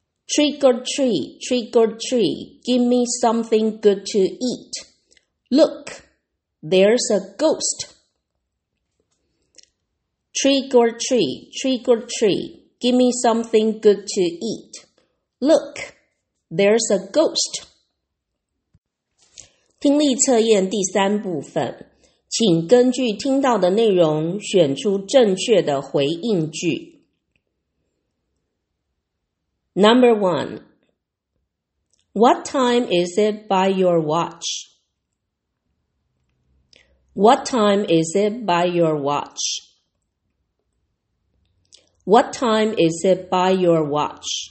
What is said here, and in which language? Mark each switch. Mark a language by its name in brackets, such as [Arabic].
[English] Trick or treat, trick or treat. Give me something good to eat. Look, there's a ghost. Trick or treat, trick or treat. Give me something good to eat. Look, there's a ghost. [Chinese] 听力测验第三部分，请根据听到的内容选出正确的回应句。 [English] Number one, what time is it by your watch? What time is it by your watch? What time is it by your watch?